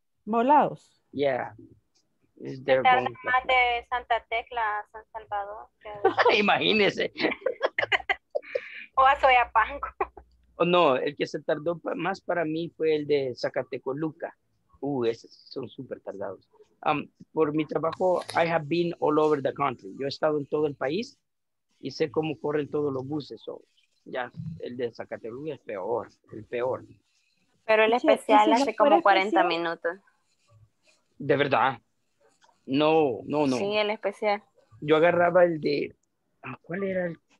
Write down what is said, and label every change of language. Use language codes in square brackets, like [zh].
[es] Volados. [en] Yeah. Is there [es] se tarda más like de Santa Tecla a San Salvador. Que... Imagínese. O a Soyapango. Oh, no, el que se tardó más para mí fue el de Zacatecoluca. Esos son súper tardados. Por mi trabajo, [en] I have been all over the country. [es] Yo he estado en todo el país y sé cómo corren todos los buses. So, ya, el de Zacatecoluca es peor, el peor. Pero el especial hace como 40 minutos. ¿De verdad? No. Sí, el especial. Yo agarraba el de... ¿Cuál era el?